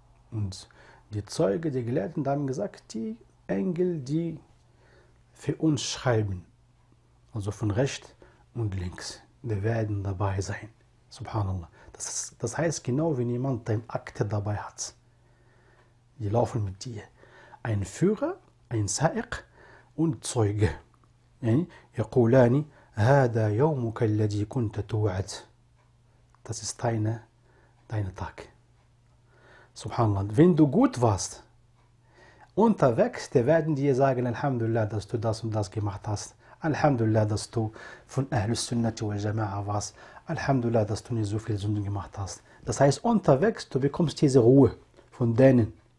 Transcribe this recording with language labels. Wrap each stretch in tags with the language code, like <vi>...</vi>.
<de>Und die Zeuge, die Gelehrten, haben gesagt, die Engel, die für uns schreiben. Also von rechts und links. Die werden dabei sein. Subhanallah. Das heißt, genau wie jemand dein Akte dabei hat. Die laufen mit dir. Ein Führer, ein Sa'iq und Zeuge.</de> <ar>يقولاني هذا يومك الذي كنت توعد.</ar> <de>Das ist deine Tag. Subhanallah. Wenn du gut warst, unterwegs, die werden dir sagen, Alhamdulillah, dass du das und das gemacht hast. Alhamdulillah, dass du von Ahlus Sunnati wal Jama'a warst. Alhamdulillah, dass du nicht so viele Sünden gemacht hast. Das heißt, unterwegs, du bekommst diese Ruhe von denen.</de>